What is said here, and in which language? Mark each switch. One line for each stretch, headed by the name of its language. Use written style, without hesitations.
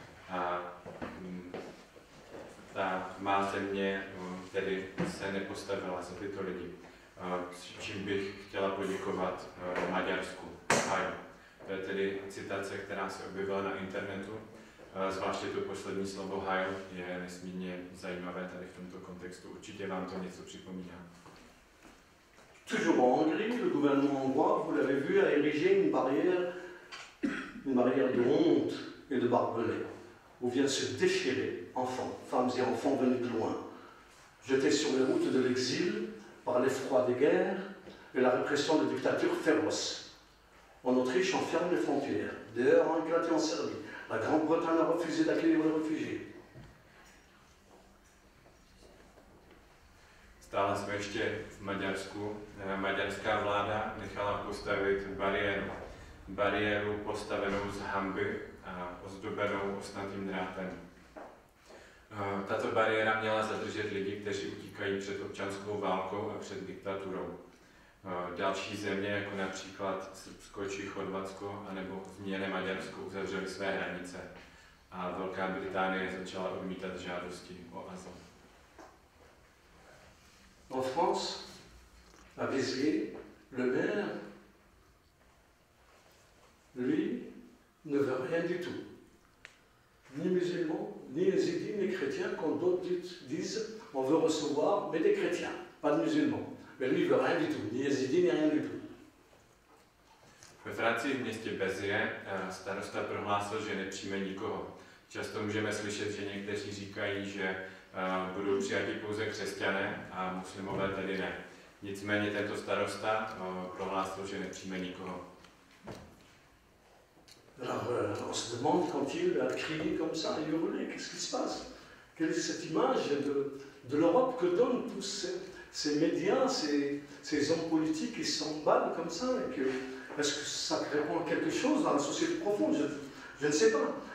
Czech: A ta má země tedy se nepostavila za tyto lidi. Čím bych chtěla poděkovat Maďarsku. Hi. To je tedy citace, která se objevila na internetu. Zvláště to poslední slovo Heil je nesmírně zajímavé tady v tomto kontextu. Určitě vám to něco připomíná.
French: Toujours en Hongrie, le gouvernement hongrois, vous l'avez vu, a érigé une barrière de honte et de barbelés, où viennent se déchirer enfants, femmes et enfants venus de loin, jetés sur les routes de l'exil par l'effroi des guerres et la répression de dictatures féroces. En Autriche, on ferme les frontières. D'ailleurs, en Grèce et en Serbie, la Grande-Bretagne a refusé d'accueillir les réfugiés.
Czech: Stále jsme ještě v Maďarsku. Maďarská vláda nechala postavit bariéru. Bariéru postavenou z hamby a ozdobenou ostnatým drátem. Tato bariéra měla zadržet lidi, kteří utíkají před občanskou válkou a před diktaturou. Další země, jako například Srbsko či Chorvatsko, anebo zmíněné Maďarsko, uzavřely své hranice. A Velká Británie začala odmítat žádosti o azyl.
French: En France, à Béziers, le maire, lui, ne veut rien du tout. Ni musulmans, ni yézidis, ni chrétiens, quand d'autres disent on veut recevoir, mais des chrétiens, pas de musulmans. Mais lui, il veut rien du tout, ni yézidis, ni rien du tout.
Czech: Ve Francii, v městě Béziers, starosta prohlásil, že nepřijme nikoho. Často můžeme slyšet, že někteří říkají, že budou přijati pouze křesťané a muslimové tedy ne. Nicméně tento starosta prohlásil, že nepřijme nikoho.
French: On se demande quand il a crié comme ça, il hurlait, qu'est-ce qui se passe? Quelle est cette image de l'Europe que donnent tous ces médias, ces hommes politiques qui s'emballent comme ça? Est-ce que ça répond à quelque chose dans la société profonde? Je ne sais pas.